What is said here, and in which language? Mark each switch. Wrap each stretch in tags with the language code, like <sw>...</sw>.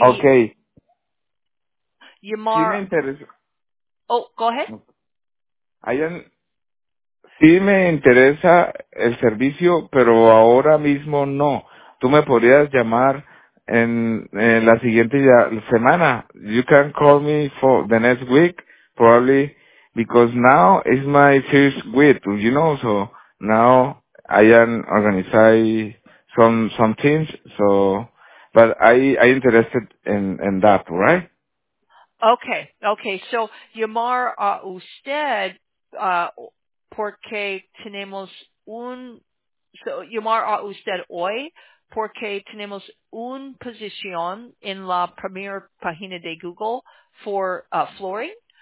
<es>Okay. Sí me llamar. interesa.</es> <en>Oh, go ahead.</en> <es>Sí me interesa el servicio, pero ahora mismo no. Tú me podrías llamar en la siguiente semana.</es> <en>You can call me for the next week, probably, because now is my first week, you know, so now I am organizing some things, so, but I interested in that, right? Okay.</en> <es>So, llamar a usted, porque tenemos un, so, llamar a usted hoy, porque tenemos un posición en la primera página de Google for, flooring.</es>